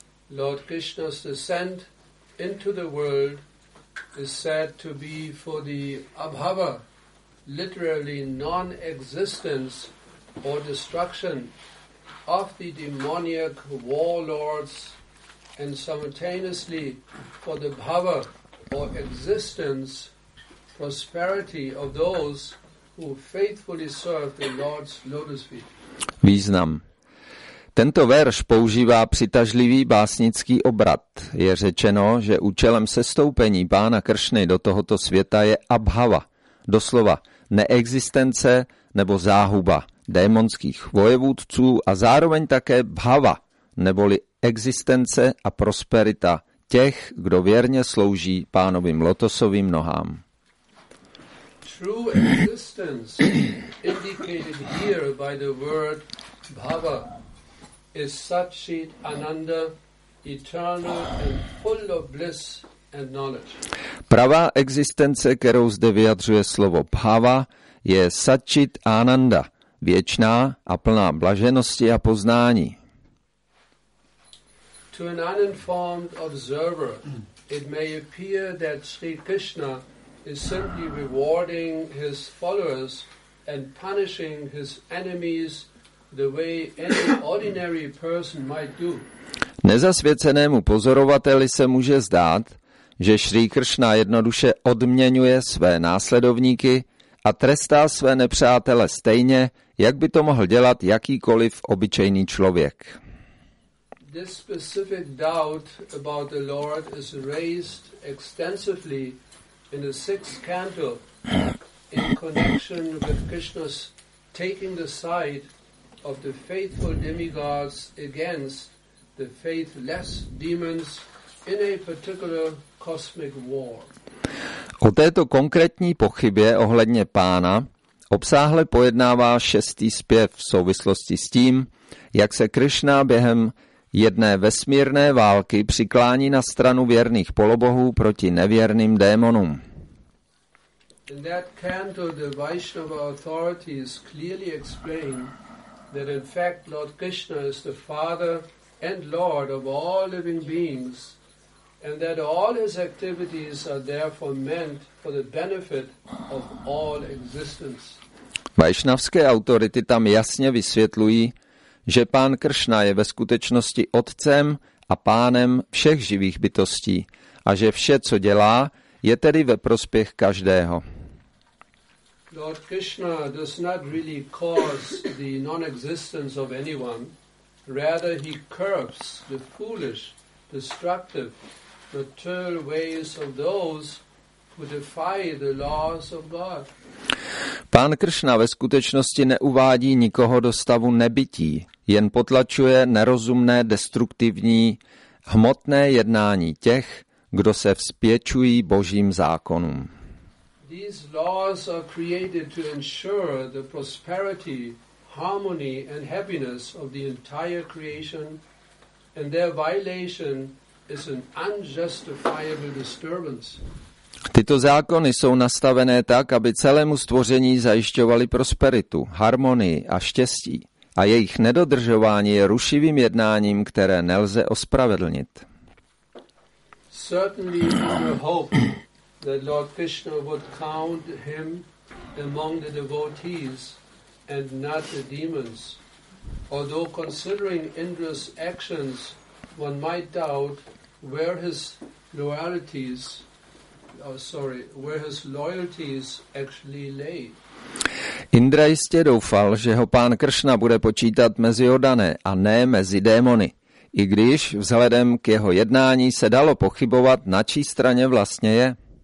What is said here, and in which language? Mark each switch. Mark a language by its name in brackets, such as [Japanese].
[English] Lord Krishna's descent into the world is said to be for the abhava, literally non-existence or destruction of the demoniac warlords, and simultaneously for the bhava or existence prosperity of those who faithfully serve the Lord's lotus feet. [Czech] Význam. Tento verš používá přitažlivý básnický obrat. Je řečeno, že účelem sestoupení pána Kršny do tohoto světa je abhava, doslova neexistence nebo záhuba démonských vojevůdců, a zároveň také bhava, neboli existence a prosperita těch, kdo věrně slouží pánovým lotosovým nohám. [English] True existence indicated here by the word bhava is Satchit Ananda, eternal and full of bliss and knowledge. [Czech] Pravá existence, kterou zde vyjadřuje slovo bhava, je Satchit Ananda, věčná a plná blaženosti a poznání. [English] To an uninformed observer, it may appear that Sri Krishna is simply rewarding his followers and punishing his enemies the way any ordinary person might do. [Czech] Nezasvěcenému pozorovateli se může zdát, že Sri Krishna jednoduše odměňuje své následovníky a trestá své nepřátele stejně, jak by to mohl dělat jakýkoliv obyčejný člověk. [English] This specific doubt about the Lord is raised extensively in the sixth canto in connection with Krishna's taking the side of the faithful demigods against the faithless demons in a particular cosmic war. [Czech] O této konkrétní pochybě ohledně pána obsáhle pojednává šestý zpěv v souvislosti s tím, jak se Krishna během jedné vesmírné války přiklání na stranu věrných polobohů proti nevěrným démonům. [English] In that canto, the Vaishnava authorities clearly explain that in fact Lord Krishna is the father and lord of all living beings, And that all his activities are therefore meant for the benefit of all existence. [Czech] Vaishnavské autority tam jasně vysvětlují, že pán Kršna je ve skutečnosti otcem a pánem všech živých bytostí a že vše, co dělá, je tedy ve prospěch každého. [English] Lord Krishna does not really cause the non-existence of anyone. Rather, he curbs the foolish, destructive, material ways of those who defy the laws of God. [Czech] Pán Kršna ve skutečnosti neuvádí nikoho do stavu nebytí, jen potlačuje nerozumné, destruktivní, hmotné jednání těch, kdo se vzpěčují božím zákonům. [English] These laws are created to ensure the prosperity, harmony and happiness of the entire creation, and their violation is an unjustifiable disturbance. [Czech] Tyto zákony jsou nastavené tak, aby celému stvoření zajišťovali prosperitu, harmonii a štěstí, a jejich nedodržování je rušivým jednáním, které nelze ospravedlnit. [English] Certainly we hope that Lord Krishna would count him among the devotees and not the demons. Although considering Indra's actions, one might doubt where his loyalties, where his loyalties actually lay. [Czech] Indra jistě doufal, že ho pán Kršna bude počítat mezi oddané a ne mezi démony, i když vzhledem k jeho jednání se dalo pochybovat, na čí straně vlastně je.